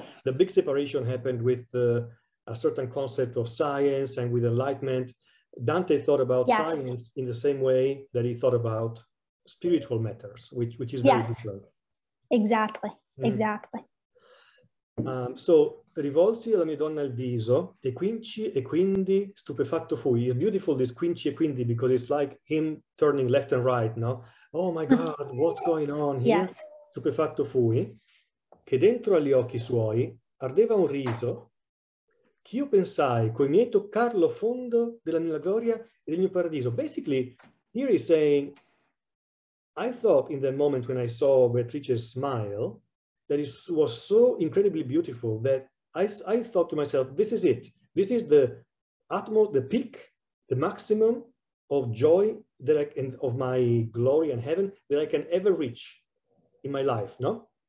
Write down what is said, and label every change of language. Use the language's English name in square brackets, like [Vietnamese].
[English] The big separation happened with a certain concept of science and with enlightenment. Dante thought about science in the same way that he thought about spiritual matters, which is very different. Exactly. Exactly. [Italian] So rivolsi alla mia donna al viso e quinci e quindi stupefatto fui. [English] It's beautiful, this [Italian] quinci e quindi, [English] because it's like him turning left and right, no? Oh my God, what's going on here? Yes. [Italian] Stupefatto fui, che dentro agli occhi suoi ardeva un riso, che io pensai coi miei toccar lo fondo della mia gloria e del mio paradiso. [English] Basically, here he's saying, I thought in that moment when I saw Beatrice's smile, that it was so incredibly beautiful that I thought to myself, this is it. This is the utmost, the peak, the maximum of joy that I can, of my glory and heaven that I can ever reach in my life, no?